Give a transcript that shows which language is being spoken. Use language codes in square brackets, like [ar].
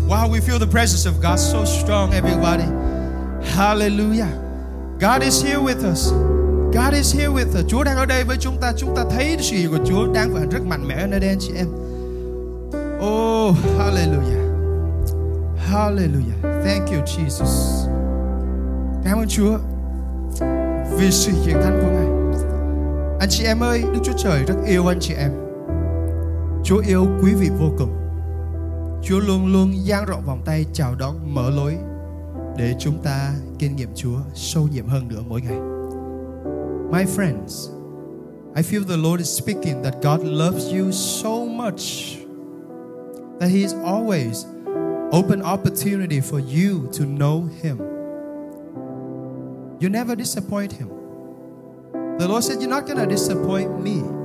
[en] we feel the presence of God so strong, everybody. Hallelujah. God is here with us. God is here with us. [vi] Chúa đang ở đây với chúng ta. Chúng ta thấy sự hiện diện của Chúa đang và rất mạnh mẽ ở nơi đây, anh chị em. Oh, hallelujah. Hallelujah. [en] Thank you, Jesus. [vi] Cảm ơn Chúa vì sự hiện thân của Ngài. Anh chị em ơi, Đức Chúa Trời rất yêu anh chị em. Chúa yêu quý vị vô cùng. Chúa luôn luôn dang rộng vòng tay chào đón, mở lối để chúng ta kinh nghiệm Chúa sâu nhiệm hơn nữa mỗi ngày. [en] My friends, I feel the Lord is speaking that God loves you so much that He is always open opportunity for you to know Him. You never disappoint Him. The Lord said, you're not going to disappoint me.